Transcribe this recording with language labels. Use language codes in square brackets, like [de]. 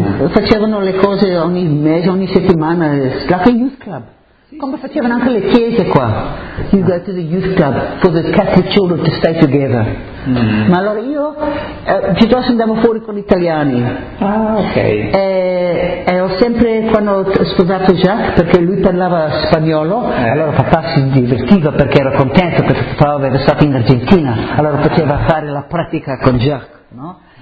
[it] Facevano le cose ogni mese, ogni settimana, [en] like a youth club. [it] Come facevano anche le chiese qua. [en] You go to the youth club for the Catholic children to stay together. Mm-hmm. [it] Ma allora io, piuttosto andavo fuori con gli italiani. Ah, ok. E ho sempre, quando ho sposato Jacques, perché lui parlava spagnolo, allora papà si divertiva perché era contento, perché papà aveva stato in Argentina, allora poteva fare la pratica con Jacques, no?